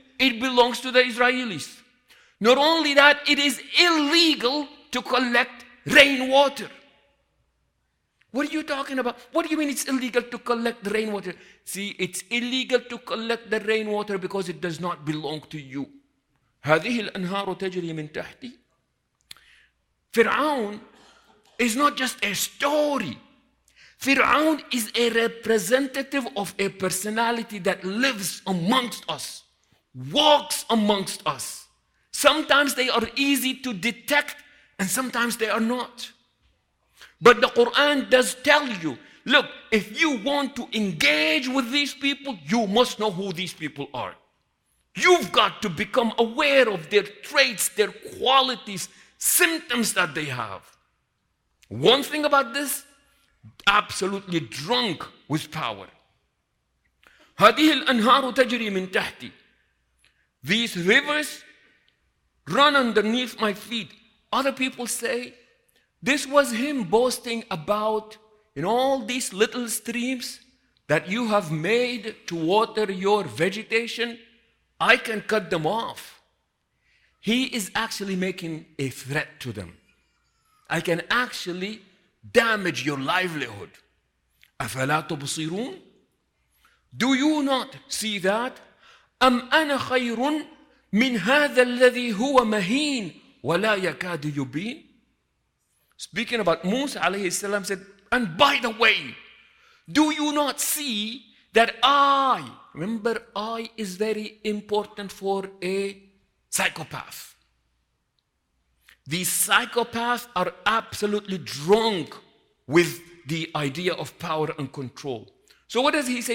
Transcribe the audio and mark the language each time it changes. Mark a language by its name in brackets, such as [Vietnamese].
[English] It belongs to the Israelis. Not only that, it is illegal to collect rainwater. What are you talking about? What do you mean it's illegal to collect the rainwater? See, it's illegal to collect the rainwater because it does not belong to you. [Arabic] هذه الأنهار تجري من تحتي. [English] Fir'aun is not just a story. Fir'aun is a representative of a personality that lives amongst us, walks amongst us. Sometimes they are easy to detect and sometimes they are not. But the Quran does tell you, look, if you want to engage with these people, you must know who these people are. You've got to become aware of their traits, their qualities, symptoms that they have. One thing about this, absolutely drunk with power. [Arabic] هذه الأنهار تجري من تحتي. [English] These rivers run underneath my feet. Other people say, this was him boasting about in all these little streams that you have made to water your vegetation, I can cut them off. He is actually making a threat to them. I can actually damage your livelihood. [Arabic] أفلا تبصرون? [English] Do you not see that? [Arabic] أم أنا خير من هذا الذي هو مهين ولا يكاد يبين? [English] Speaking about Musa alayhi salam said, and by the way, do you not see that I, remember I is very important for a psychopath. These psychopaths are absolutely drunk with the idea of power and control. So what does he say?